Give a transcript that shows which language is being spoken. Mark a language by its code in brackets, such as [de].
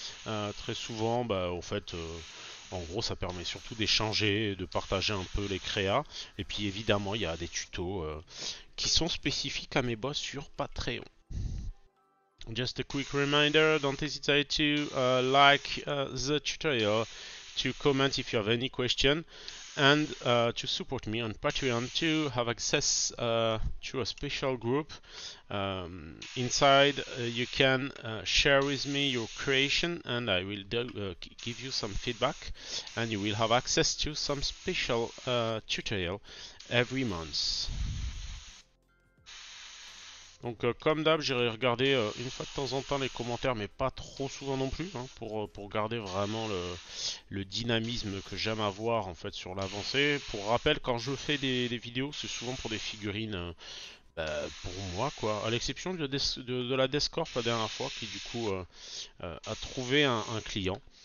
[fr] Très souvent bah, en fait en gros ça permet surtout d'échanger, de partager un peu les créas. Et puis évidemment il y a des tutos qui sont spécifiques à mes boss sur Patreon. [en] Just a quick reminder, don't hesitate to like the tutorial, to comment if you have any question. And to support me on Patreon to have access to a special group. Inside you can share with me your creation and I will give you some feedback and you will have access to some special tutorial every month. [fr] Donc comme d'hab j'irai regarder une fois de temps en temps les commentaires mais pas trop souvent non plus hein, pour garder vraiment le dynamisme que j'aime avoir en fait sur l'avancée. Pour rappel quand je fais des vidéos c'est souvent pour des figurines pour moi quoi, à l'exception de la Descorp la dernière fois qui du coup a trouvé un client.